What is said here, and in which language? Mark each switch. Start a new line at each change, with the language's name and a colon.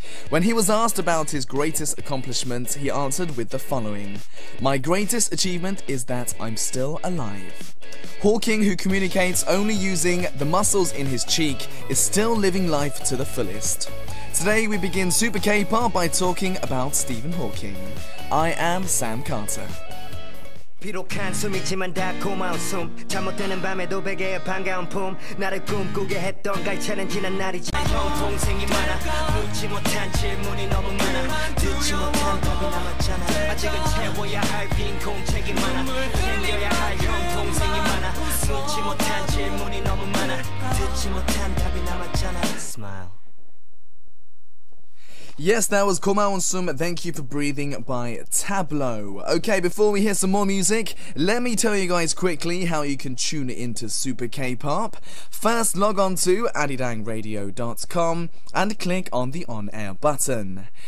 English: When he was asked about his greatest accomplishment, he answered with the following: "My greatest achievement is that I'm still alive." Hawking, who communicates only using the muscles in his cheek, is still living life to the fullest. Today we begin SuperKpop by talking about Stephen Hawking. I am Sam Carter.
Korean: 비록 한숨이지만 달콤한 웃음 잠못드는 밤에도 베개에 반가운 품 나를 꿈꾸게 했던 갈채는 지난 날이지 형 동생이 많아 묻지 못한 질문이 너무 많아 듣지 못한 답이 남았잖아 아직은 채워야 할 빈 공책이 많아 챙겨야 할 형 동생이 많아 묻지 못한 질문이 너무 많아 듣지 못한 답이 남았잖아 Smile.
English: Yes, that was Komaunsum, Thank You For Breathing by Tableau. Okay, before we hear some more music, let me tell you guys quickly how you can tune into Super K-Pop. First, log on to adidangradio.com and click on the on-air button.